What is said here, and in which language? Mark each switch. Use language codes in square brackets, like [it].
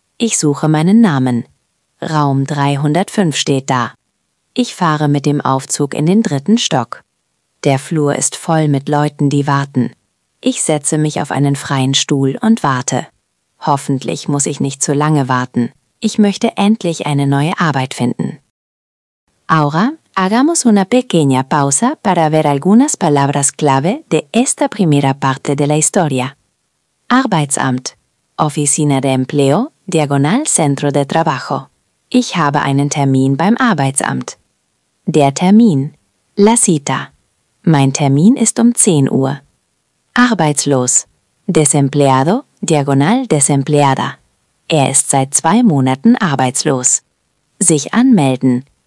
[de] Ich suche meinen Namen. Raum 305 steht da. Ich fahre mit dem Aufzug in den dritten Stock. Der Flur ist voll mit Leuten, die warten. Ich setze mich auf einen freien Stuhl und warte. Hoffentlich muss ich nicht zu lange warten. Ich möchte endlich eine neue Arbeit finden. [es] Ahora, hagamos una pequeña pausa para ver algunas palabras clave de esta primera parte de la historia. Arbeitsamt, Oficina de Empleo, / Centro de Trabajo. [de] Ich habe einen Termin beim Arbeitsamt. Der Termin, [es] la cita. [de] Mein Termin ist um 10 Uhr. Arbeitslos, [es] desempleado, / desempleada. [de] Er ist seit 2 Monaten arbeitslos. Sich anmelden.